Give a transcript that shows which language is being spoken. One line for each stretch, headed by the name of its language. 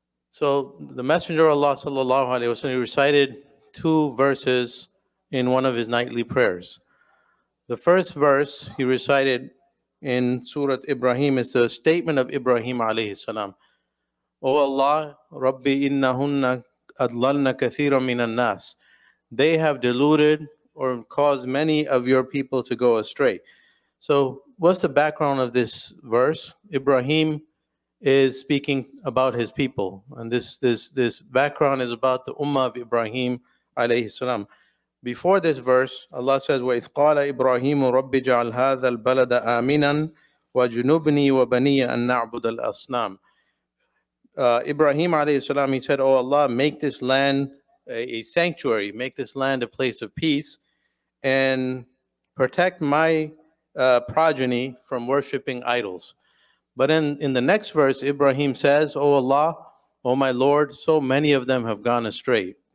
English: So the Messenger of Allah sallallahu alayhi wa sallam recited two verses in one of his nightly prayers. The first verse he recited in Surah Ibrahim is the statement of Ibrahim alayhi salam. O Allah,
Arabic: رَبِّ إِنَّهُنَّ أَضْلَلْنَا كَثِيرًا مِنَ النَّاسِ.
English: They have deluded or cause many of your people to go astray. So what's the background of this verse? Ibrahim is speaking about his people. And this background is about the Ummah of Ibrahim alayhi salam. Before this verse, Allah says,
Arabic: وَإِذْ قَالَ إِبْرَاهِيمُ رَبِّ جَعَلْ هَذَا الْبَلَدَ آمِنًا وَجُنُوبْنِي وَبَنِيَ أَنْ نَعْبُدَ الْأَصْنَامِ.
English: Ibrahim alayhi salam, he said, Oh Allah, make this land a sanctuary, make this land a place of peace, and protect my progeny from worshiping idols. But in the next verse, Ibrahim says, O Allah, O my Lord, so many of them have gone astray.